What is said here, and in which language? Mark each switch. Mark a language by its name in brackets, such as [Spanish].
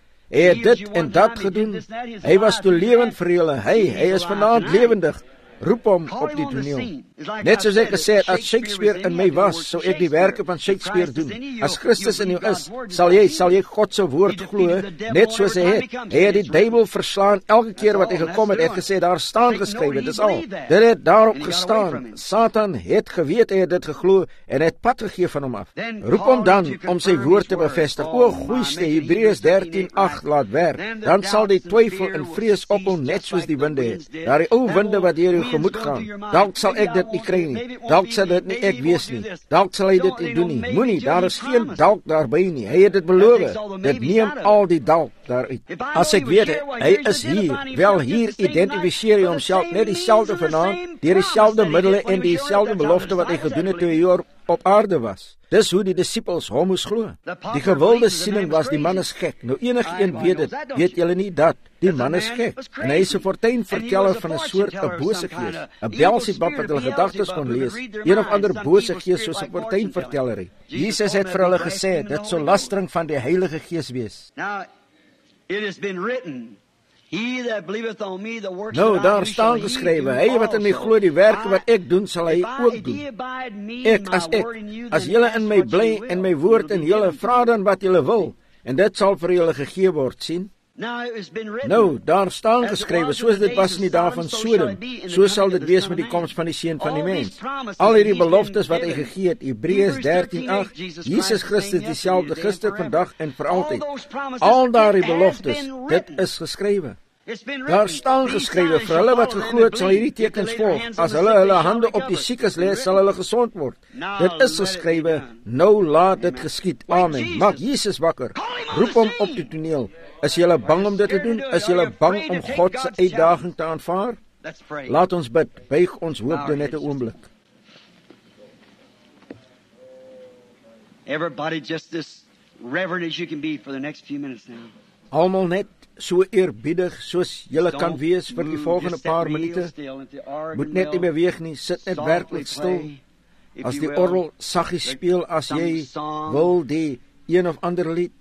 [Afrikaans] Hy het dit en dat gedoen, hy was toe lewend vir julle, hy is vanavond lewendig, roep hom op die toneel. Net soos ek gesê het, as Shakespeare in my was, sou ek die werke van Shakespeare doen. As Christus in jou is, sal jy God se woord glo, net soos hy het die duivel verslaan, elke keer wat hy gekom het, het gesê, daar staan geskrywe, dit is al. Dit het daarop gestaan, Satan het geweet, hy het dit geglo, en het pad gegee van hom af. Roep hom dan, om sy woord te bevestig, o goeiste, Hebreërs 13:8 laat werk, dan sal die twyfel en vrees op hom, net soos die winde het. Daar die ou winde wat deur jou gemoed gaan, dalk sal ek dit nie kry nie, dalk sal dit nie ek wees nie, dalk sal hy dit nie doen nie, moenie, daar is geen dalk daarby nie, hy het dit beloof, dit neem al die dalk daaruit. As ek weet, hy is hier, wel hier identificeer hy homself net dieselfde vanaand, deur dieselfde middele en dieselfde belofte wat hy gedoen het toe hy hier op aarde was. Dis hoe die disippels hom moes glo. Die gewilde siening was die man is gek. Nou enig een weet dit, weet julle nie dat? Die man is gek. En hy is 'n fortuinverteller van 'n soort 'n bose gees. 'n Beelzebub wat hulle gedagtes kon lees. Een of ander bose gees soos 'n fortuinverteller. Jesus het vir hulle gesê, dit sou lastering van die Heilige Gees wees. [English] Now, it has been written, he that believeth on me, the works [Afrikaans] nou, daar staan geskrywe, hy wat in my glo, die werke wat ek doen, sal hy ook doen. Ek, as julle in my bly en my woord in julle, vra dan wat julle wil, en dit sal vir julle gegee word, sien? Nou, daar staan geskrywe, soos dit was in die dag van Sodom, so sal dit wees met die koms van die Seun van die Mens. Al hierdie beloftes wat hy gegee het, Hebreërs 13:8, Jesus Christus dieselfde gister, vandag en vir altyd. Al daardie beloftes, dit is geskrywe. Daar staan geskrywe, vir hulle wat geglo het, sal hierdie tekens volg. As hulle hulle hande op die siekes lê, sal hulle gesond word. Dit is geskrywe, nou laat dit geskied. Amen. Maak Jesus wakker. Roep hom op die toneel. Is jy bang om dit te doen? Is jy bang om God se uitdaging te aanvaar? Laat ons bid. Buig ons hoofde net 'n oomblik. [English] Everybody just as reverent as you can be for the next few minutes now. [Afrikaans] Almal net so eerbiedig soos jy kan wees vir die volgende paar minute. Moet net nie beweeg nie. Sit net werklik stil. As die orgel saggies speel, as jy wil die een of ander lied.